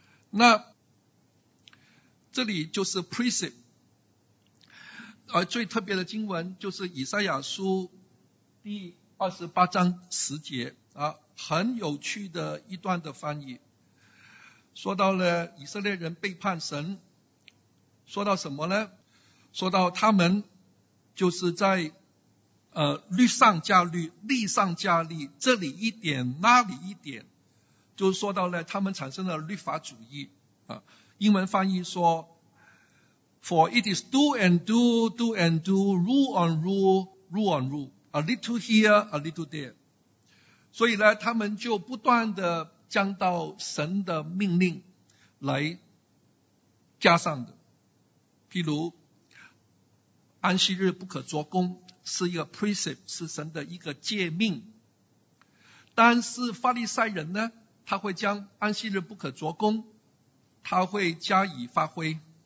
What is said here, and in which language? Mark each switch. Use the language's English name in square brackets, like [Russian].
[Chinese] 那这里就是 precept， 而最特别的经文就是以赛亚书第28:10啊，很有趣的一段的翻译，说到了以色列人背叛神，说到什么呢？说到他们就是在律上加律，利上加利，这里一点那里一点，就说到了他们产生了律法主义啊。 [English] 英文翻译说 For it is do and do, do and do, rule on rule, rule on rule, a little here, a little there。 [Chinese] 所以呢他们就不断地将到神的命令来加上的，譬如安息日不可做工是一个 precept， 是神的一个诫命，但是法利赛人呢他会将安息日不可做工他会加以发挥，